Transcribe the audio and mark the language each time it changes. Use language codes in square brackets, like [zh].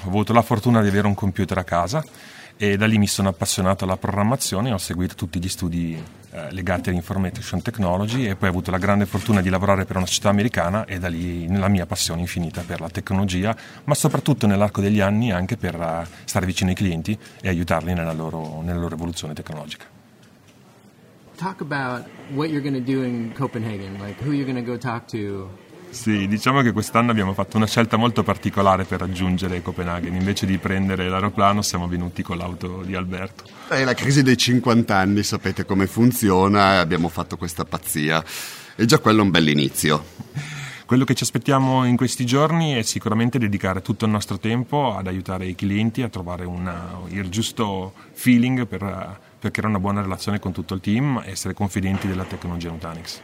[it] Ho avuto la fortuna di avere un computer a casa e da lì mi sono appassionato alla programmazione e ho seguito tutti gli studi legati all'information technology e poi ho avuto la grande fortuna di lavorare per una società americana e da lì la mia passione infinita per la tecnologia, ma soprattutto nell'arco degli anni anche per stare vicino ai clienti e aiutarli nella loro evoluzione tecnologica. [en] Talk about what you're going to do in Copenhagen, like who you're going to go talk to. [it] Sì, diciamo che quest'anno abbiamo fatto una scelta molto particolare per raggiungere Copenaghen. Invece di prendere l'aeroplano siamo venuti con l'auto di Alberto. È la crisi dei 50 anni, sapete come funziona, abbiamo fatto questa pazzia. E già quello è un bell'inizio. Quello che ci aspettiamo in questi giorni è sicuramente dedicare tutto il nostro tempo ad aiutare i clienti a trovare il giusto feeling per creare una buona relazione con tutto il team e essere confidenti della tecnologia Nutanix.